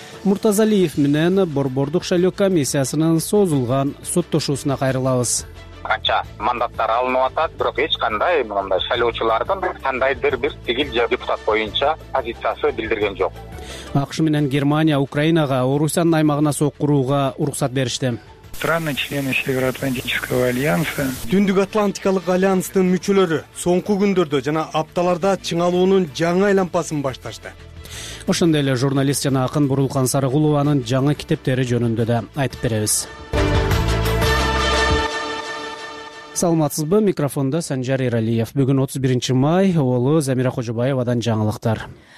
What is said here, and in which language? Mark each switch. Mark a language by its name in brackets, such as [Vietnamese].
[Kyrgyz] Муртазалиев менен борбордук шайлоо комиссиясынын созулган соттошуусуна кайрылабыз. Канча мандаттар алынып атат, бирок эч кандай мындай шайлоочулардын кандайдыр бир тигил депутат боюнча позициясы билдирген жок. АКШ менен Германия Украинага Орусиянын аймагына сокурууга уруксат беришти. [Russian] Страны члены Североатлантического альянса. [Kyrgyz] Түндүк Атлантикалык альянстын мүчөлөрү соңку күндөрдө жана апталарда чыңалуунун жаңы айлампасын башташты. Ошондой эле журналист жана акын Бурулкан Сарыгулованын жаңы китептери жөнүндө да айтып беребиз. Саламатсызбы, микрофондо Санжар Иралиев. Бүгүн 31 май, уолу Замира Кожобаевадан жаңылыктар.